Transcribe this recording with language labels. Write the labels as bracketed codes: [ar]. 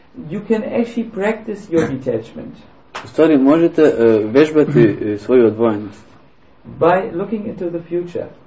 [en] You can actually practice your detachment. [sr] U stvari možete vežbati svoju odvojenost. [en] By looking into the future.